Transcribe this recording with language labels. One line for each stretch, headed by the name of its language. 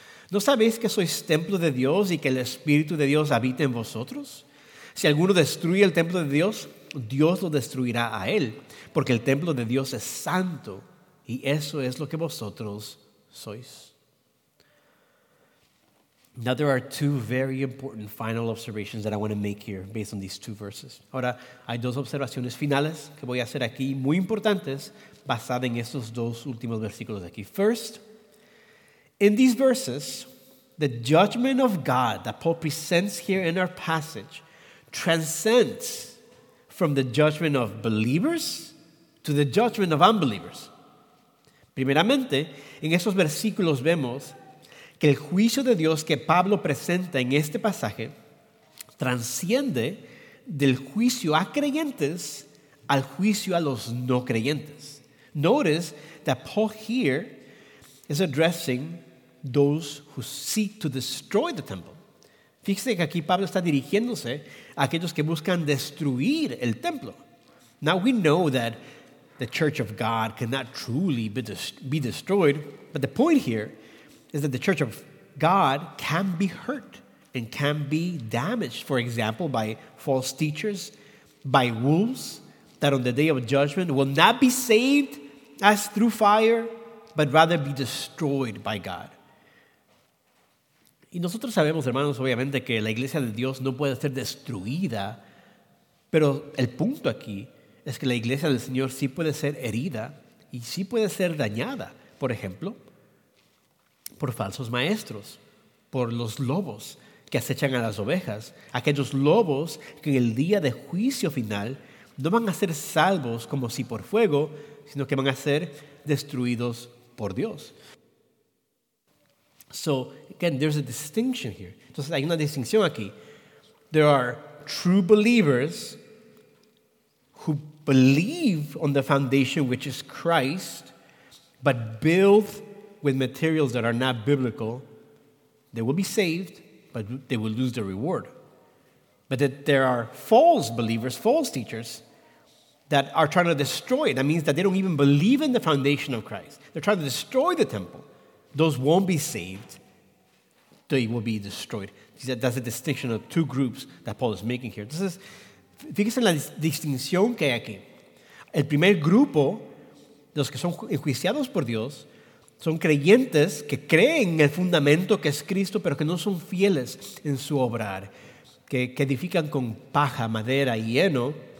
Spanish: ¿No sabéis que sois templo de Dios y que el Espíritu de Dios habita en vosotros? Si alguno destruye el templo de Dios, Dios lo destruirá a él, porque el templo de Dios es santo y eso es lo que vosotros sois.
English: Now, there are two very important final observations that I want to make here based on these two verses.
Spanish: Ahora, hay dos observaciones finales que voy a hacer aquí, muy importantes, basadas en estos dos últimos versículos aquí.
English: First, in these verses, the judgment of God that Paul presents here in our passage transcends from the judgment of believers to the judgment of unbelievers.
Spanish: Primeramente, en esos versículos vemos que el juicio de Dios que Pablo presenta en este pasaje transciende del juicio a creyentes al juicio a los no creyentes.
English: Notice that Paul here is addressing those who seek to destroy the temple.
Spanish: Fíjense que aquí Pablo está dirigiéndose a aquellos que buscan destruir el templo.
English: Now we know that the church of God cannot truly be destroyed, but the point here is that the church of God can be hurt and can be damaged, for example, by false teachers, by wolves, that on the day of judgment will not be saved as through fire, but rather be destroyed by God.
Spanish: Y nosotros sabemos, hermanos, obviamente, que la iglesia de Dios no puede ser destruida, pero el punto aquí es que la iglesia del Señor sí puede ser herida y sí puede ser dañada, por ejemplo, por falsos maestros, por los lobos que acechan a las ovejas, aquellos lobos que en el día de juicio final no van a ser salvos como si por fuego, sino que van a ser destruidos por Dios.
English: So, again, there's a distinction here.
Spanish: Entonces, hay una distinción aquí.
English: There are true believers who believe on the foundation which is Christ, but build with materials that are not biblical. They will be saved, but they will lose the reward. But that there are false believers, false teachers, that are trying to destroy it. That means that they don't even believe in the foundation of Christ. They're trying to destroy the temple. Those won't be saved. They will be destroyed. That's the distinction of two groups that Paul is making here.
Spanish: Entonces, fíjense en la distinción que hay aquí. El primer grupo, los que son enjuiciados por Dios, son creyentes que creen en el fundamento que es Cristo, pero que no son fieles en su obrar, que edifican con paja, madera y heno.